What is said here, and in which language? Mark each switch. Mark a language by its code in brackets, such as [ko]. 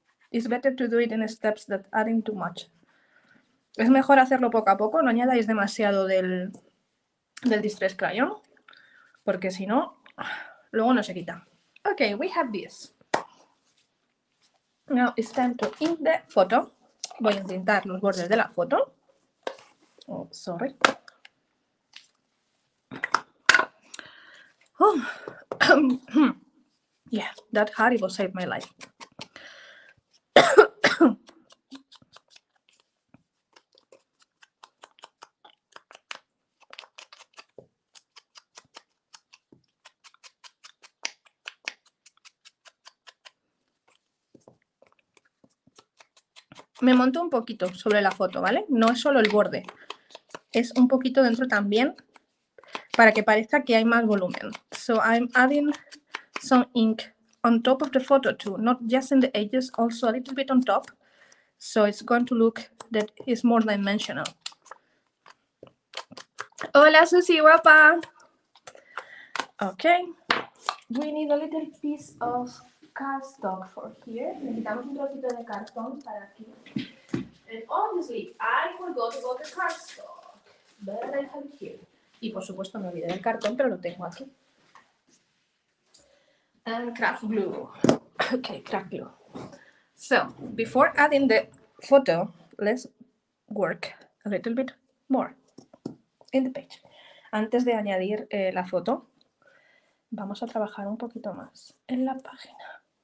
[en] It's better to do it in steps than adding too much. [es] Es mejor hacerlo poco a poco, no añadáis demasiado del distress crayon, porque si no, luego no se quita. [en] Okay, we have this. Now it's time to ink the photo. [es] Voy a intentar los bordes de la foto. [en] Oh, sorry. Oh. Yeah, that horrible saved my life. [es] me monto un poquito sobre la foto, ¿vale? No es solo el borde, es un poquito dentro también para que parezca que hay más volumen. [en] So I'm adding some ink on top of the photo too, not just in the edges, also a little bit on top. So it's going to look that is more dimensional. [es] Hola Susi, guapa. Okay. [en] We need a little piece of cardstock for here. [es] Necesitamos un trocito de cartón para aquí. [en] And obviously, I forgot about the cardstock. But I have it here. [es] Y por supuesto me olvidé del cartón, pero lo tengo aquí. [en] And craft glue. Okay, craft glue. So, before adding the photo, let's work a little bit more in the page. [es] Antes de añadir la foto, vamos a trabajar un poquito más en la página.